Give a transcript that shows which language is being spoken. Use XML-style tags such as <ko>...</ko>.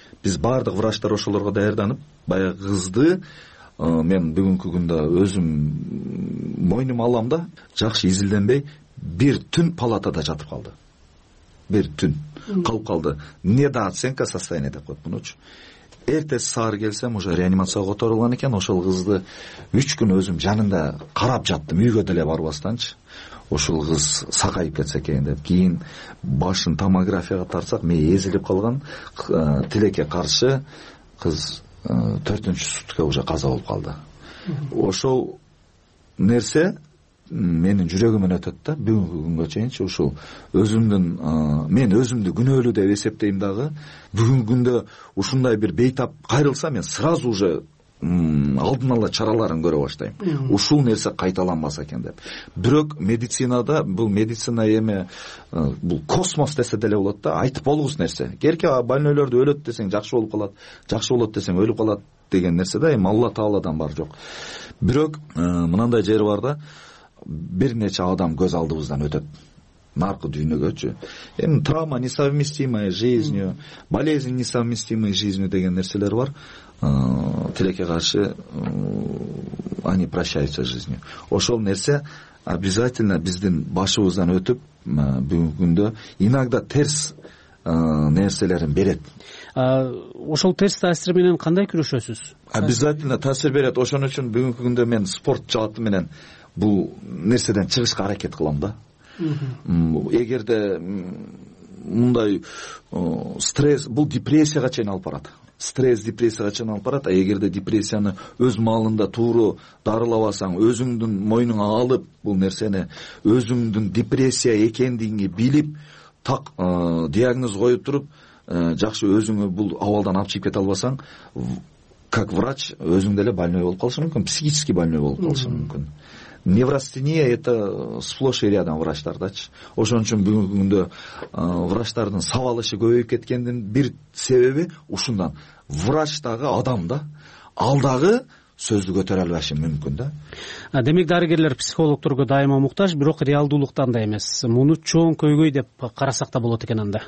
<ky>Биз баардык врачтар ошолорго даярданып, баягы кызды мен бүгүнкү күндө өзүм мойнума алам да, жакшы изилденбей бир түн палатада жатып калды. Бир түн калып калды.</ky> <ru>Недооценка состояния</ru> <ky>деп коет мунучу. Эртеси саар келсем уже реанимацияга которулган экен. Ошол кызды 3 күн өзүм жанында карап жаттым, үйгө деле барбастанчы. Ошол кыз сакайып кетсе экен деп. Кийин башын томографияга тартсак, мээ эзилип калган, тилекке каршы кыз 4-нчү сутка уже каза болуп калды. Ошол нерсе менин жүрөгүмөн өтөт да бүгүнкү күнгө чейинчи. Ушул өзүмдүн мен өзүмдү күнөөлүү деп эсептейм дагы. Бүгүнкү күндө ушундай бир бейтап кайрылса, мен</ky> <ru>сразу уже</ru> <ky>алдын ала чараларын көрө баштайм. Ушул нерсе кайталанбаса экен деп. Бирок медицинада бул медицина эми бул космос десе деле болот да, айтып болгус нерсе. Керке больнойлорду өлөт десең жакшы болуп калат, жакшы болот десең өлүп калат деген нерсе да, эми Алла Тааладан бар жок. Бирок мынандай жери бар да, бир нече адам көз алдыбыздан өтөт. наркы дүйнөгөчү. Эми</ky> <ru>травма несовместимая жизнью, болезнь несовместимая жизнью</ru> <ky>деген нерселер бар. Тилекке каршы</ky> <ru>они прощаются жизнью.</ru> <ky>Ошол нерсе обязательно биздин башыбыздан өтүп бүгүнкү күндө иногда терс нерселерин берет. Ошол терс таасир менен кандай күрөшөсүз? Обязательно таасир берет. Ошон үчүн бүгүнкү күндө мен спорт жааты менен бул нерседен чыгышка аракет кылам да. Эгерде мындай стресс, бул депрессияга чейин алып барат. Стресс депрессияга чейин алып барат. Эгерде депрессияны өз маалында туура дарылабасаң, өзүңдүн мойнуңа алып бул нерсени өзүңдүн депрессия экендигиңи билип так диагноз коюп туруп жакшы өзүңө бул абалдан алып чыгып кете албасаң,</ky> <ru>как врач</ru> <ky>өзүң деле больной болуп калышың мүмкүн,</ky> <ru>психический больной</ru> <ky>болуп калышың мүмкүн.</ky> <ru>Неврастения это сплошь и рядом врачтардачы.</ru> <ky>Ошон үчүн бүгүнкү күндө врачтардын сабалышы көбөйүп кеткендин бир себеби ушундан. Врач дагы адам да, ал дагы сөздү көтөрө албашы мүмкүн да. Демек дарыгерлер психологдорго дайыма муктаж, бирок реалдуулуктан да эмес. Муну чоң көйгөй деп карасак да болот экен анда.</ky>